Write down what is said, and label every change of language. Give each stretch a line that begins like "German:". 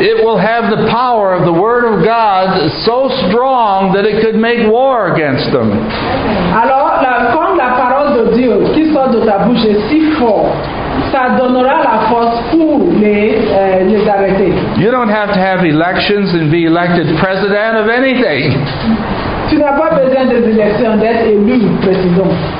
English: It will have the power of the word of God so strong that it could make war against them.
French: Alors, comme la parole de Dieu qui sort de ta bouche est si fort, ça donnera la force pour les arrêter.
English: You don't have to have elections and be elected president of anything.
French: Tu n'as pas besoin des élections d'être élu président.